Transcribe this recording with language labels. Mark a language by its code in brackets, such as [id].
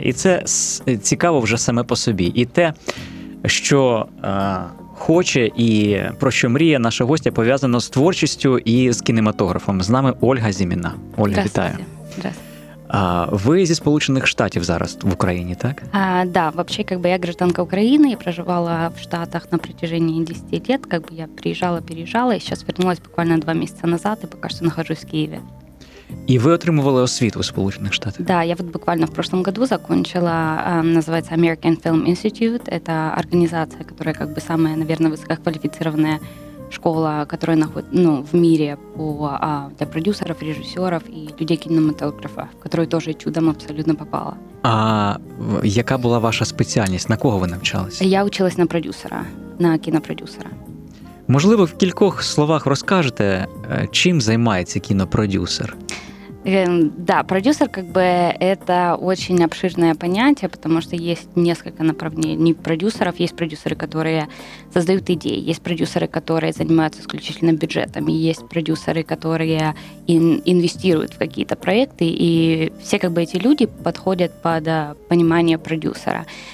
[uk] І це цікаво вже саме по собі. І те, що хоче і про що мріє наша гостя, пов'язано з творчістю і з кінематографом. З нами Ольга Зіміна. Ольга, вітаю. Здравствуйте. Ви зі Сполучених Штатів зараз в Україні, так? [ru] Да, вообще, как бы я гражданка України, я проживала в Штатах на протяжении 10 лет. Как бы я переезжала, и сейчас вернулась буквально 2 месяца назад, и пока что нахожусь в Киеве. И вы [uk] отримували освіту в Сполучених Штатах? [ru] Да, я вот буквально в прошлом году закончила, называется American Film Institute. Это организация, которая как бы самая, наверное, высококвалифицированная школа, которая находится, ну, в мире по для продюсеров, режиссеров и людей кинематографа, в которую тоже чудом абсолютно попала. [uk] А яка була ваша спеціальність? На кого ви навчалась? [ru] Я училась на продюсера, на кінопродюсера. [uk] Можливо, в кількох словах розкажете, чим займається кінопродюсер? [ru] Да, продюсер, как бы, это очень обширное понятие, потому что есть несколько направлений продюсеров. Есть продюсеры, которые создают идеи, есть продюсеры, которые занимаются исключительно бюджетом, есть продюсеры, которые инвестируют в какие-то проекты, и все, как бы, эти люди подходят под понимание продюсера.